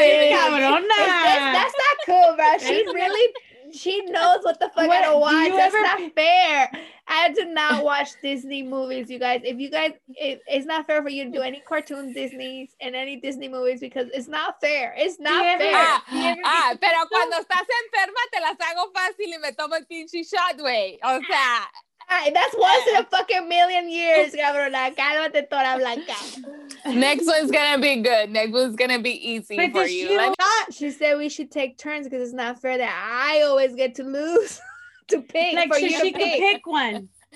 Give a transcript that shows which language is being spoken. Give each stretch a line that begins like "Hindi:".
Spanish: cabrona.
English: That's not cool, bro. She's really. She knows what the fuck I don't watch. That's not fair. I do not watch Disney movies, you guys. If you guys, it's not fair for you to do any cartoon Disneys and any Disney movies because it's not fair. It's not fair.
Spanish: Pero cuando estás enferma, te las hago fácil y me tomo el pinche shot, güey. O sea.
English: That's once in a fucking million years, cabrona.
Spanish: Cálmate toda blanca.
English: Next one's gonna be good. Next one's gonna be easy but for you. She said we should take turns because it's not fair that I always get to lose to pick. Like, for so you she could pick one.